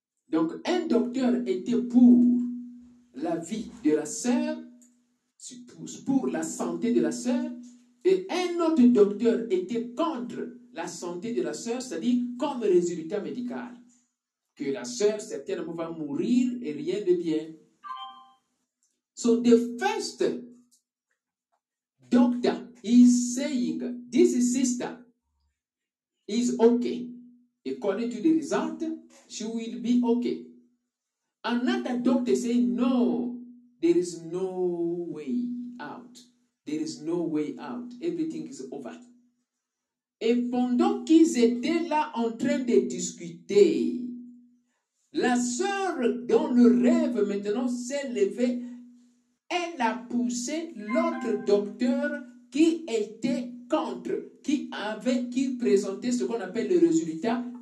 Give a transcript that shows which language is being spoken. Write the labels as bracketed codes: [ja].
[fr] Donc, un docteur était pour la vie de la sœur, pour la santé de la sœur, et un autre docteur était contre la santé de la sœur, c'est-à-dire comme résultat médical. Que la sœur certainement va mourir et rien de bien. [en] So the first doctor is saying, this sister is okay. According to the result, she will be okay. Another doctor saying, no, there is no way out. There is no way out. Everything is over. [fr] Et pendant qu'ils étaient là en train de discuter, la sœur dans le rêve maintenant s'est levée. Elle a poussé l'autre docteur qui était contre, qui présentait ce qu'on appelle le résultat